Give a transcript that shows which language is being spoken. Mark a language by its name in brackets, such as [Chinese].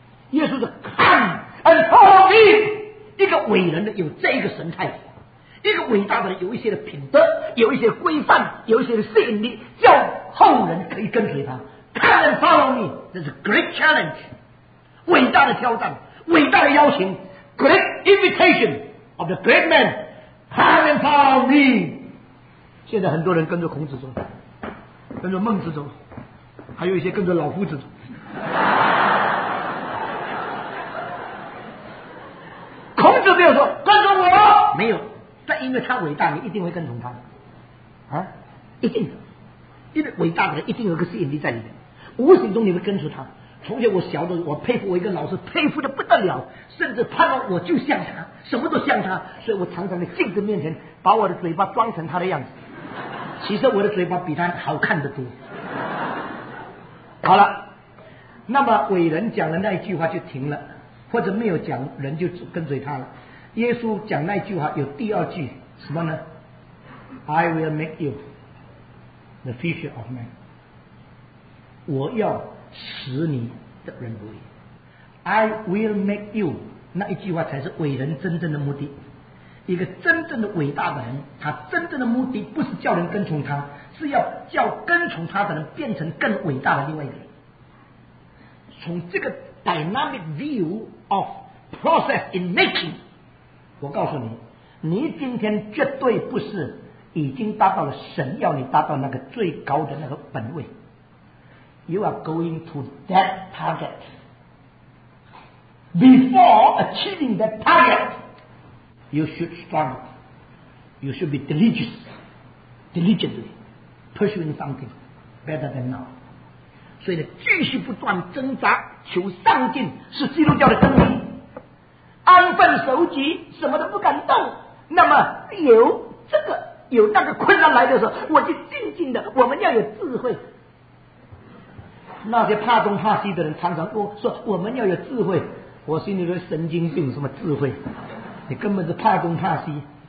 [Chinese] 耶稣是 [English] come and follow me， [Chinese] 一个伟人的有这一个神态，一个伟大的人有一些的品德，有一些规范，有一些的吸引力，叫后人可以跟随他。 [English] come and follow me， [Chinese] 这是 [English] great challenge， [Chinese] 伟大的挑战，伟大的邀请。 [English] Great invitation of the great man, come and follow me. [Chinese] 现在很多人跟着孔子走，跟着孟子走，还有一些跟着老夫子走。孔子没有说跟着我，没有，但因为他伟大，你一定会跟从他的，啊，一定的，因为伟大的人一定有个吸引力在里面，无形中你会跟随他。从前我小的时候，我佩服我一个老师，佩服的不得了，甚至盼望我就像他，什么都像他，所以我常常在镜子面前把我的嘴巴装成他的样子，其实我的嘴巴比他好看得多。好了，那么伟人讲的那一句话就停了，或者没有讲，人就跟随他了。耶稣讲那一句话有第二句什么呢？ [English] I will make you the fisher of men， [Chinese] 我要使你的人如鱼。 [English] I will make you， [Chinese] 那一句话才是伟人真正的目的。一个真正的伟大的人，他真正的目的不是叫人跟从他，是要叫跟从他的人变成更伟大的另外一个人。从这个 [English] dynamic view of process in making， [Chinese] 我告诉你，你今天绝对不是已经达到了神要你达到那个最高的那个本位。 [English] You are going to that target. Before achieving that target, you should struggle. You should be diligently pursuing something better than now. [Chinese] 所以呢，继续不断挣扎，求上进是基督教的真理。安分守己，什么都不敢动，那么有这个有那个困难来的时候，我就静静的。我们要有智慧。那些怕东怕西的人常常说我们要有智慧，我心里说神经病，什么智慧，你根本是怕东怕西。